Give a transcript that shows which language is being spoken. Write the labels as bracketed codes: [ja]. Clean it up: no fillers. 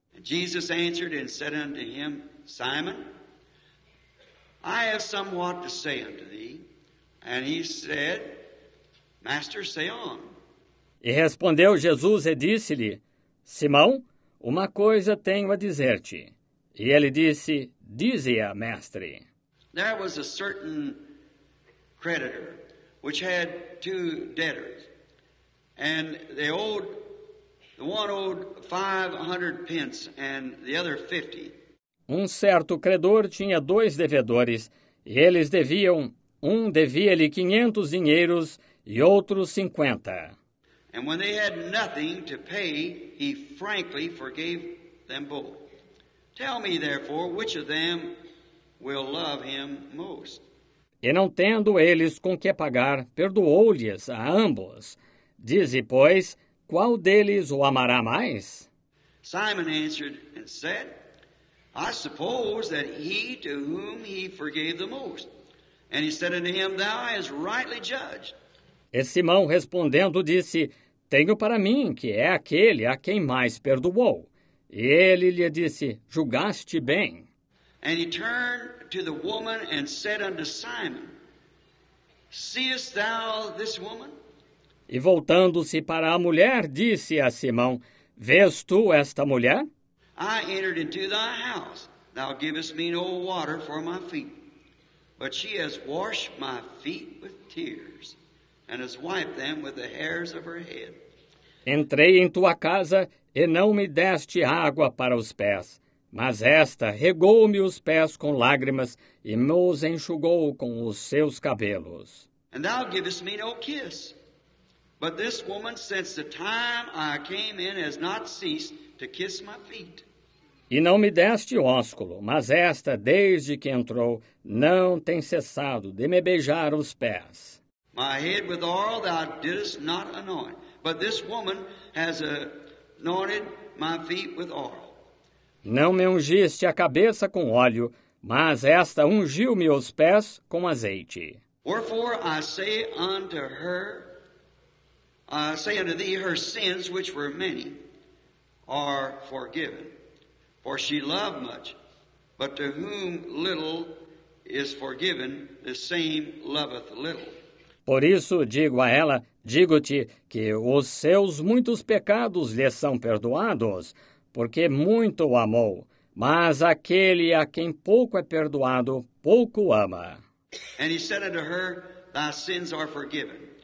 [en] Jesus answered and said unto him, Simon, I have somewhat to say unto thee. And he said, Master, say on. [pt] E respondeu Jesus e disse-lhe: Simão, uma coisa tenho a dizer-te. E ele disse: Dize-a, mestre. [en] There was a certain creditor which had two debtors. And they owed, the one owed 500 pence and the other 50. [pt] Um certo credor tinha dois devedores, e eles deviam, um devia-lhe 500 dinheiros e outro 50. [en] And when they had nothing to pay, he frankly forgave them both. Tell me, therefore, which of them will love him most? [pt] E não tendo eles com que pagar, perdoou-lhes a ambos. Dize, pois, qual deles o amará mais? [en] Simon answered and said, I suppose that he to whom he forgave the most. And he said unto him, Thou hast rightly judged. [pt] E Simão respondendo disse, tenho para mim que é aquele a quem mais perdoou. E ele lhe disse, julgaste bem. [en] And he turned to the woman and said unto Simon, Seest thou this woman? [pt] E voltando-se para a mulher, disse a Simão, vês tu esta mulher? [en] I entered into thy house. Thou givest me no water for my feet. But she has washed my feet with tears, and has wiped them with the hairs of her head. [pt] Entrei em tua casa, e não me deste água para os pés. Mas esta regou-me os pés com lágrimas e me os enxugou com os seus cabelos. [en] And thou givest me no kiss. But this woman, since the time I came in, has not ceased to kiss my feet. [pt] E não me deste ósculo, mas esta, desde que entrou, não tem cessado de me beijar os pés. [en] My head with oil thou didst not anoint, but this woman has anointed my feet with oil. [pt] Não me ungiste a cabeça com óleo, mas esta ungiu-me os pés com azeite. [en] Wherefore I say unto her, I say unto thee, her sins, which were many, are forgiven. For she loved much, but to whom little is forgiven, the same loveth little. [pt] Por isso digo a ela, digo-te que os seus muitos pecados lhe são perdoados, porque muito o amou. Mas aquele a quem pouco é perdoado, pouco ama. [en] And he said unto her, thy sins are forgiven.